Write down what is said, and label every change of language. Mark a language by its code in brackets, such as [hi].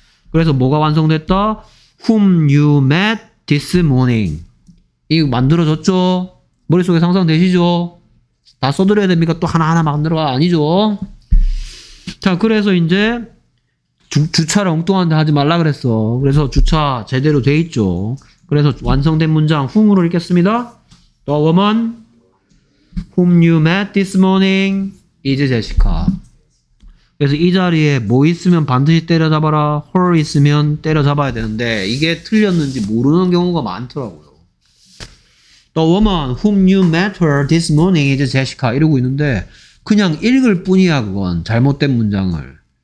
[ko] 그래서 뭐가 완성됐다? [en] whom you met this morning. [ko] 이거 만들어졌죠? 머릿속에 상상되시죠? 다 써드려야 됩니까? 또 하나하나 만들어가 아니죠. 자, 그래서 이제 주차를 엉뚱한데 하지 말라 그랬어. 그래서 주차 제대로 돼 있죠. 그래서 완성된 문장 whom으로 읽겠습니다. [en] The woman whom you met this morning is Jessica. [ko] 그래서 이 자리에 뭐 있으면 반드시 때려잡아라. her 있으면 때려잡아야 되는데 이게 틀렸는지 모르는 경우가 많더라고요. [en] The woman whom you met her this morning is Jessica [ko] 이러고 있는데 그냥 읽을 뿐이야. 그건 잘못된 문장을.